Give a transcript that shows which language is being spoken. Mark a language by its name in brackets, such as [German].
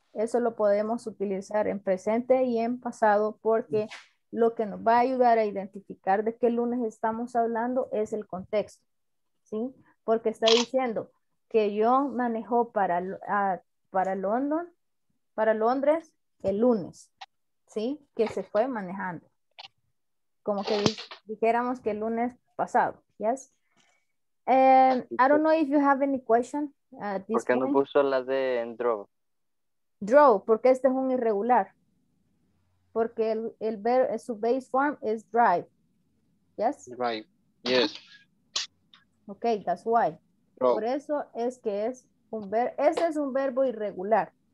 [Spanish] Eso lo podemos utilizar en presente y en pasado porque lo que nos va a ayudar a identificar de qué lunes estamos hablando es el contexto, ¿sí? Porque está diciendo que John manejó para Londres el lunes, ¿sí? Que se fue manejando. Como que dijéramos que el lunes pasado, ¿yes? [English] I don't know if you have any question. [Spanish] ¿Por qué no puso la de en drove? Drove, porque este es un irregular. Porque su base form is drive. Yes? [English] Drive, yes. Ok, that's why. Bro. [Spanish] Por eso es que es un verbo, ese es un verbo irregular.